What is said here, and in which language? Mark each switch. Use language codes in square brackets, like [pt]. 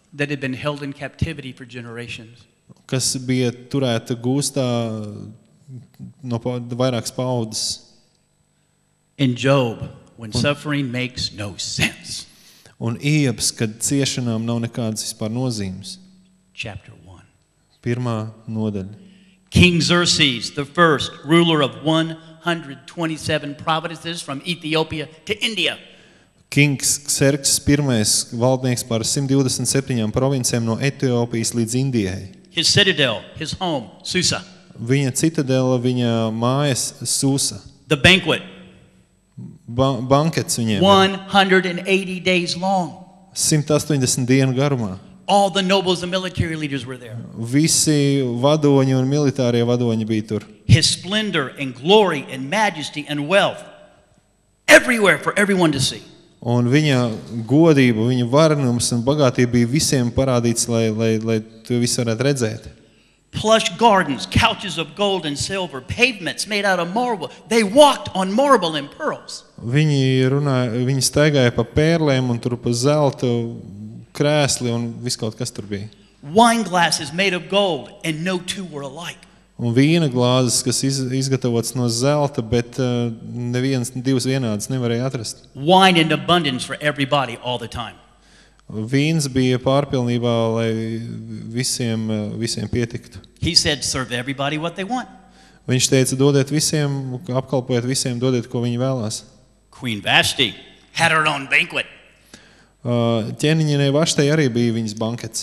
[en] That had been held in captivity for generations. [lv] Kas bija turēta gūstā no vairākas paudzes. [en] In Job, when suffering makes no sense. [lv] Un Ijabs, kad ciešanām nav nekādas vispār nozīmes. [en] Chapter 1. [lv] Pirmā nodaļa. [en] King Xerxes, the first ruler of 127 provinces from Ethiopia to India. [lv] Kings Xerxes pirmais valdnieks par 127 provincijām no Etiopijas līdz Indijai. [en] His citadel, his home, Susa. [lv] Viņa citadela, viņa mājas Susa. [en] The banquet. [lv] Bankets viņiem. [en] 180 days long. [lv] 180 dienu garumā. [en] All the nobles and military leaders were there. [lv] Visi vadoņi un militārie vadoņi bija tur. [en] His splendor and glory and majesty and wealth everywhere for everyone to see. [lv] Un viņa godība, viņa varenums un bagātība bija visiem parādīts, lai to visu varētu redzēt. [en] Plush gardens, couches of gold and silver, pavements made out of marble. They walked on marble and pearls. [lv] Viņi staigāja pa pērlēm un tur pa zeltu krēsli un viskaut kas tur bija. [en] Wine glasses made of gold and no two were alike. [lv] Un vīna glāzes, kas izgatavotas no zelta, bet neviens divas vienādas nevarēja atrast. [en] Wine in abundance for everybody all the time. [lv] Vīns bija pārpilnībā, lai visiem pietiktu. [en] He said serve everybody what they want. [lv] Viņš teica dodiet visiem, apkalpojiet visiem, dodiet ko viņi vēlās. [en] Queen Vashti had her own banquet. [lv] Ķēniņienei Vaštei arī bija viņas bankets.